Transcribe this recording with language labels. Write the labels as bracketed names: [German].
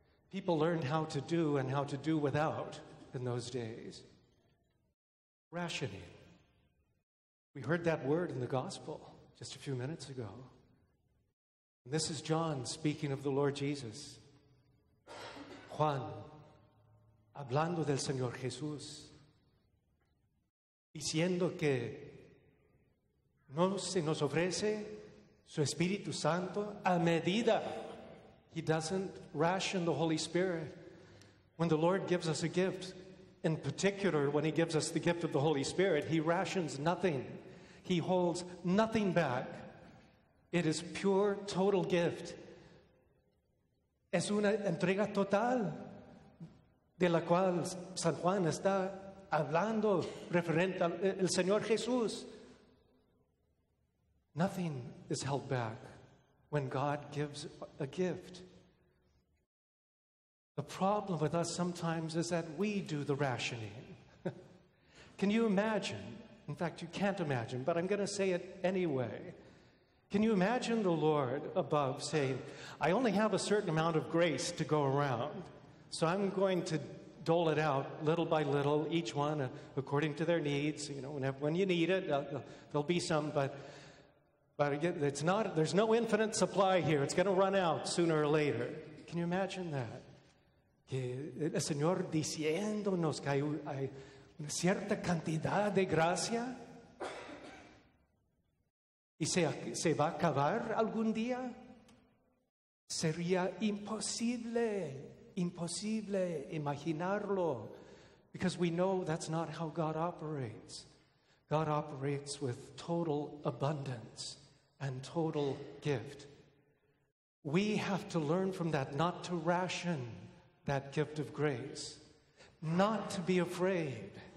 [English] People learned how to do and how to do without in those days. Rationing. We heard that word in the gospel just a few minutes ago. And this is John speaking of the Lord Jesus. [Spanish] Juan, hablando del Señor Jesús, diciendo que no se nos ofrece su Espíritu Santo a medida. [English] He doesn't ration the Holy Spirit. When the Lord gives us a gift, in particular when he gives us the gift of the Holy Spirit, he rations nothing. He holds nothing back. It is pure, total gift. [Spanish] Es una entrega total de la cual San Juan está hablando referente al Señor Jesús. [English] Nothing is held back when God gives a gift. The problem with us sometimes is that we do the rationing. Can you imagine? In fact, you can't imagine, but I'm going to say it anyway. Can you imagine the Lord above saying, I only have a certain amount of grace to go around, so I'm going to dole it out little by little, each one according to their needs. You know, when you need it, there'll be some, but again, there's no infinite supply here. It's going to run out sooner or later. Can you imagine that? [Spanish] Que el Señor diciéndonos que hay una cierta cantidad de gracia y se va a acabar algún día. Sería imposible. Imposible imaginarlo, [English] because we know that's not how God operates. God operates with total abundance and total gift. We have to learn from that, not to ration that gift of grace, not to be afraid.